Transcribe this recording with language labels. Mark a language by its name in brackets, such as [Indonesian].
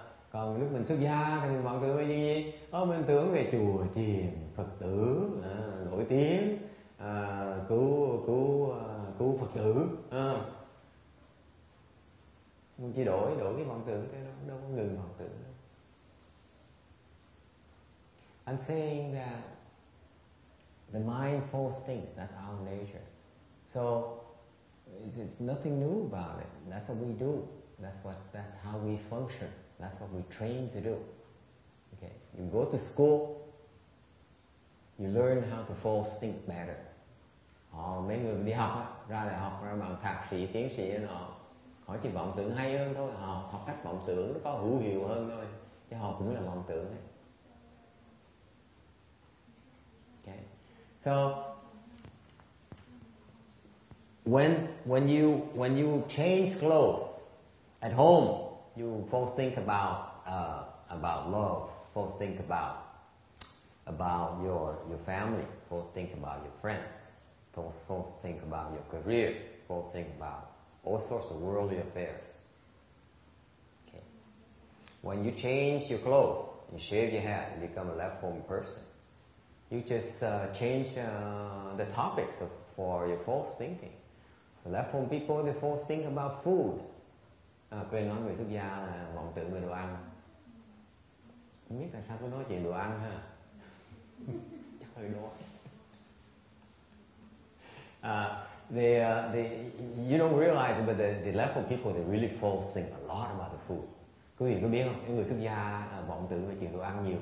[Vietnamese] Còn lúc mình xuất gia thì mình vọng tưởng về những gì? Mình tưởng về chùa chiền, Phật tử nổi tiếng, cứu Phật tử. Mình chỉ đổi cái vọng tưởng thôi, đâu có ngừng vọng tưởng. [English] I'm saying that the mindful states, that's our nature. So it's nothing new about it. That's what we do. That's how we function. That's what we train to do. Okay, you go to school, you learn how to false think better. [Vietnamese] Mấy người đi học á, ra đại học ra bằng thạc sĩ, tiến sĩ nọ, họ chỉ vọng tưởng hay hơn thôi. Họ học cách vọng tưởng nó có hữu hiệu hơn thôi, chứ họ cũng là vọng tưởng ấy. [English] Okay. So when you change clothes at home, you first think about love, first think about your family, first think about your friends, first think about your career, first think about all sorts of worldly affairs. Okay. When you change your clothes, you shave your head, and become a left-home person. You just change the topics for your false thinking. So left-home people, they false think about food. [Vietnamese] Quên nói người xuất gia là vọng tưởng về đồ ăn. Không biết tại sao tôi nói chuyện đồ ăn ha. Chắc hơi đói. [English] You don't realize, but the left-home people, they really false think a lot about the food. [Vietnamese] Quý vị có biết không? Những người xuất gia vọng tưởng về chuyện đồ ăn nhiều.